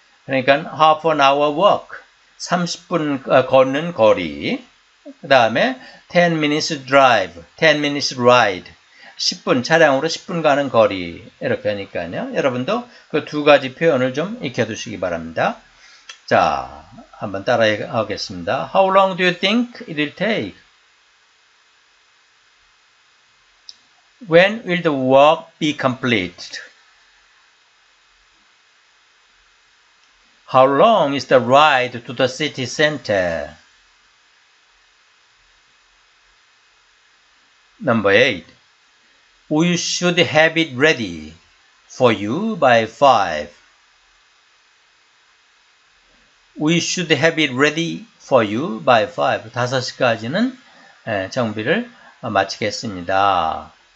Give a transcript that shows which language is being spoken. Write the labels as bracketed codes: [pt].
[ko] 그러니까, [en] half an hour walk, [ko] 30분 걷는 거리, 그 다음에, [en] 10 minutes drive, 10 minutes ride, [ko] 10분, 차량으로 10분 가는 거리, 이렇게 하니까요. 여러분도 그두 가지 표현을 좀 익혀두시기 바랍니다. 자, 한번 따라하겠습니다. [en] How long do you think it will take? When will the work be completed? How long is the ride to the city center? Number 8. We should have it ready for you by 5. We should have it ready for you by 5. [ko] 5시까지는 정비를 마치겠습니다.